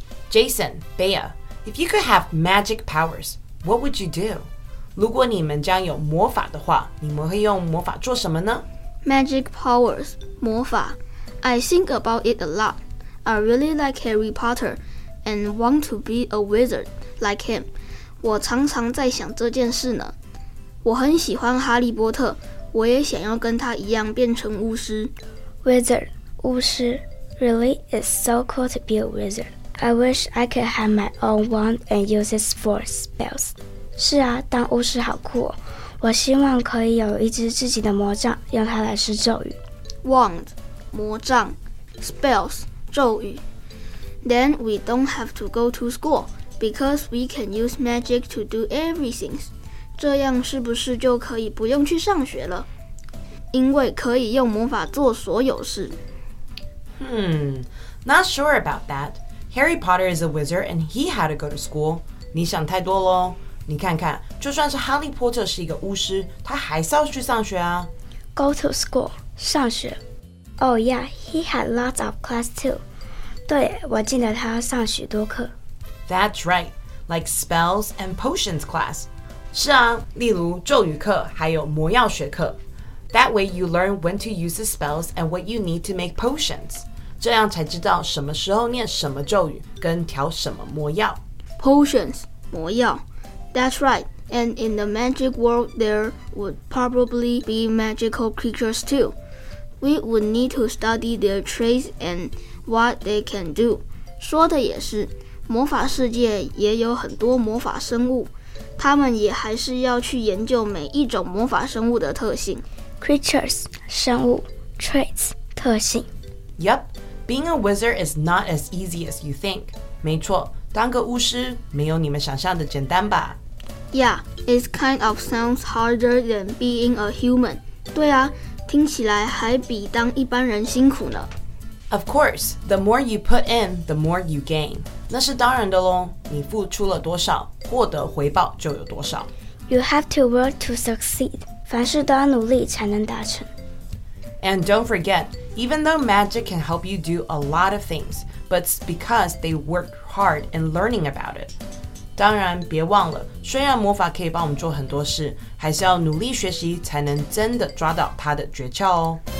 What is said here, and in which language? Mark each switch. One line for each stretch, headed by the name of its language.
English: Jason, Bea, if you could have magic powers, what would you do?
Chinese: 如果你们将有魔法的话，你们会用魔法做什么呢？
English: Magic powers, 魔法。I think about it a lot. I really like Harry Potter and want to be a wizard like him.
Chinese: 我常常在想这件事呢。我很喜欢哈利波特，我也想要跟他一样变成巫师。
English: Wizard, 巫师。 Really, it's so cool to be a wizard. I wish I could have my own wand and use it for spells.
Chinese: 是啊，当巫师好酷哦。我希望可以有一支自己的魔杖，用它来施咒语。
English: Wand, 魔杖。Spells, 咒语。 Then we don't have to go to school, because we can use magic to do everything.
Chinese: 这样是不是就可以不用去上学了？因为可以用魔法做所有事。
English: Not sure about that. Harry Potter is a wizard and he had to go to school.
Chinese: 你想太多咯。你看看，就算是哈利波特是一个巫师，他还是要去上学啊。
English: Go to school, 上学。Oh yeah, he had lots of class too.
Chinese: 对，我记得他上许多课。
English: That's right, like spells and potions class.
Chinese: 是啊，例如咒语课还有魔药学课。
English: That way you learn when to use the spells and what you need to make potions.
Chinese: 这样才知道什么时候念什么咒语跟调什么魔药。
English: Potions, 魔药。That's right. And in the magic world, there would probably be magical creatures too. We would need to study their traits and what they can do.
Chinese: 说的也是，魔法世界也有很多魔法生物。他们也还是要去研究每一种魔法生物的特性。
English: Creatures, 生物。Traits, 特性。 Yep, being a wizard is not as easy as you think.
Chinese: 没错，当个巫师没有你们想象的简单吧。
English: Yeah, it kind of sounds harder than being a human.
Chinese: 对啊，听起来还比当一般人辛苦呢。
English: Of course, the more you put in, the more you gain.
Chinese: 那是当然的咯，你付出了多少，获得回报就有多少。
English: You have to work to succeed.
Chinese: 凡事都要努力才能达成。
English: And don't forget, even though magic can help you do a lot of things, but it's because they worked hard in learning about it.
Chinese: 当然别忘了，虽然魔法可以帮我们做很多事，还是要努力学习才能真的抓到它的诀窍哦。